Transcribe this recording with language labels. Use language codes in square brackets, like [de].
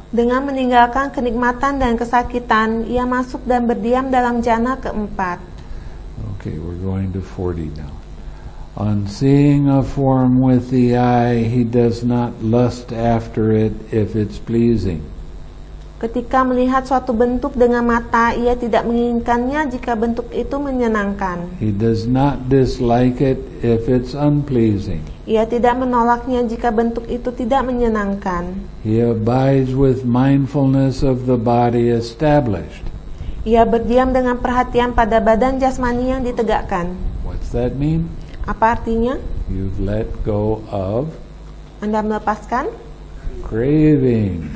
[id] Dengan meninggalkan kenikmatan dan kesakitan, ia masuk dan berdiam dalam jhana keempat. [en] Okay, we're going to 40 now. On seeing a form with the eye, he does not lust after it if it's pleasing. [id] Ketika melihat suatu bentuk dengan mata, ia tidak menginginkannya jika bentuk itu menyenangkan. [en] He does not dislike it if it's unpleasing. [id] Ia tidak menolaknya jika bentuk itu tidak menyenangkan. [en] He abides with mindfulness of the body established. [id] Ia berdiam dengan perhatian pada badan jasmani yang ditegakkan. [en] What's that mean? [id] Apa artinya? [en] You've let go of. [id] Anda melepaskan. [en] Craving.